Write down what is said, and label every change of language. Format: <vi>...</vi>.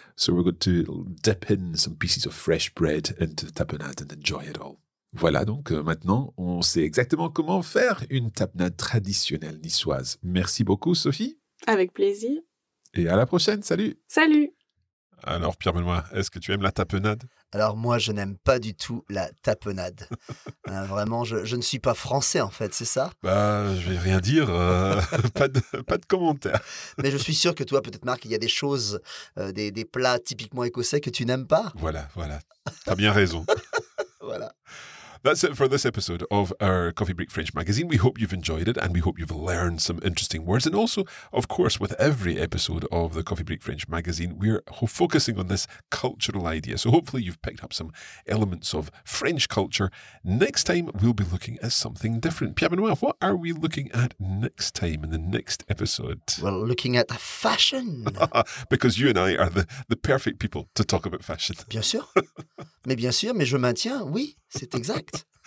<en>So we're going to dip in some pieces of fresh bread into the tapenade and enjoy it all.</en> <fr>Voilà donc, maintenant, on sait exactement comment faire une tapenade traditionnelle niçoise. Merci beaucoup, Sophie. Avec plaisir. Et à la prochaine. Salut. Salut. Alors, Pierre-Benoît, est-ce que tu aimes la tapenade? Alors, moi, je n'aime pas du tout la tapenade. Vraiment, je ne suis pas français, en fait, c'est ça? Bah, je vais rien dire. pas de commentaire. Mais je suis sûr que toi, peut-être, Marc, il y a des choses, des plats typiquement écossais que tu n'aimes pas. Voilà, voilà. T'as bien raison. Voilà.</fr> <en>That's it for this episode of our Coffee Break French magazine. We hope you've enjoyed it and we hope you've learned some interesting words. And also, of course, with every episode of the Coffee Break French magazine, we're focusing on this cultural idea. So hopefully you've picked up some elements of French culture. Next time, we'll be looking at something different. Pierre-Benoît, what are we looking at next time in the next episode? Well, looking at fashion. Because you and I are the perfect people to talk about fashion.</en> <fr>Bien sûr. Mais bien sûr, mais je maintiens, oui, c'est exact.</fr>